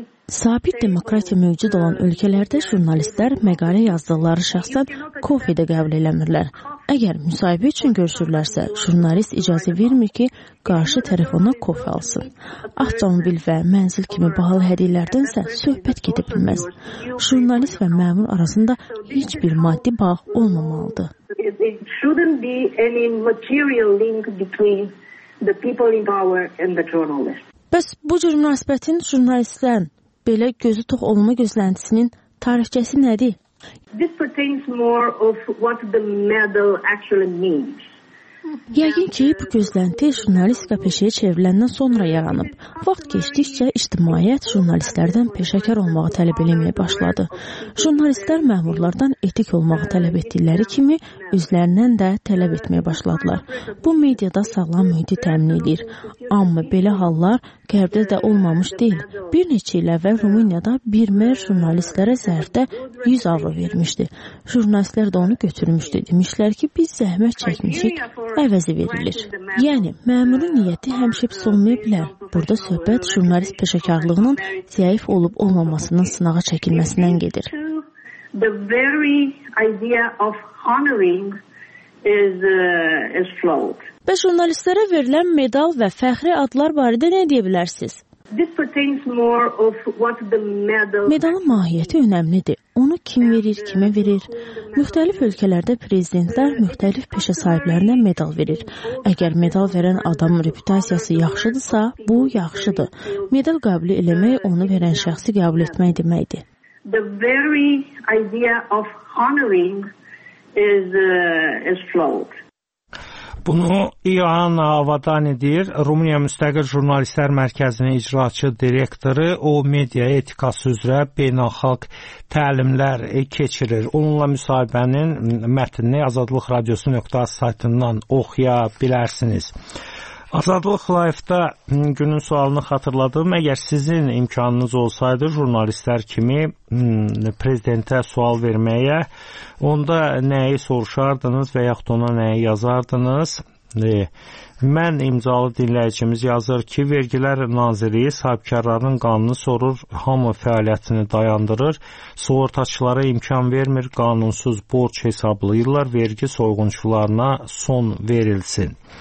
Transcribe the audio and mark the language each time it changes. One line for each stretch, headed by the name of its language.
Azerbaijani: Sabit demokratiya mövcud olan ölkələrdə jurnalistlər məqalə yazdıqları şəxsən kofedə qəbul eləmirlər. Əgər müsahibə üçün görüşürlərsə, jurnalist icazə vermir ki, qarşı tərəf ona kofi alsın. Avtomobil və mənzil kimi bahalı hədiyyələrdən isə söhbət gedə bilməz. Jurnalist və məmur arasında heç bir maddi bağ olmamalıdır.
English: It shouldn't be any material link between the people in power and the journalist.
Azerbaijani: Bəs bu cür münasibətin jurnalistlərin belə gözü tox olma gözləntisinin tarixçəsi nədir?
English: This pertains more of what the medal actually means.
Azerbaijani: Yəqin ki, bu gözlənti jurnalistika peşəyə çevriləndən sonra yaranıb. Vaxt keçdikcə, ictimaiyyət jurnalistlərdən peşəkar olmağı tələb eləməyə başladı. Jurnalistlər məmurlardan etik olmağı tələb etdikləri kimi, özlərindən də tələb etməyə başladılar. Bu, mediada sağlam mühiti təmin edir. Amma belə hallar qərbdə də olmamış deyil. Bir neçə il əvvəl Rumıniyada bir mer jurnalistlərə zərfdə 100 avro vermişdi. Jurnalistlər də onu götürmüşdü. Demişlər ki, biz zəhmət çəkmişik. Əvəzi verilir. Yəni, məmurun niyyəti həmişə pis olmaya bilər. Burada söhbət jurnalist peşəkarlığının zəif olub-olmamasının sınağa çəkilməsindən gedir.
English: The very idea of honoring is flawed.
Azerbaijani: Bəs jurnalistlərə verilən medal və fəxri adlar barədə nə deyə bilərsiniz? Medalın mahiyyəti önəmlidir. Onu kim verir, kimə verir? Müxtəlif ölkələrdə prezidentlər müxtəlif peşə sahiblərinə medal verir. Əgər medal verən adamın reputasiyası yaxşıdırsa, bu yaxşıdır. Medal qəbul eləmək onu verən şəxsi qəbul etmək deməkdir.
English: The very idea of honoring is flawed.
Azerbaijani: Bunu İoana Avadani deyir, Rumuniya Müstəqil Jurnalistlər Mərkəzinin icraçı direktoru, o media etikası üzrə beynəlxalq təlimlər keçirir. Onunla müsahibənin mətnini Azadlıq Radiosu.az saytından oxuya bilərsiniz. Azadlıq Live-da günün sualını xatırladım. Əgər sizin imkanınız olsaydı jurnalistlər kimi prezidentə sual verməyə, onda nəyi soruşardınız və yaxud ona nəyi yazardınız? Mən imzalı dinləyicimiz yazır ki, Vergilər Nazirliyi sahibkarların qanunu sorur, hamı fəaliyyətini dayandırır, sığortaçılara imkan vermir, qanunsuz borc hesablayırlar, vergi soyğunçularına son verilsin.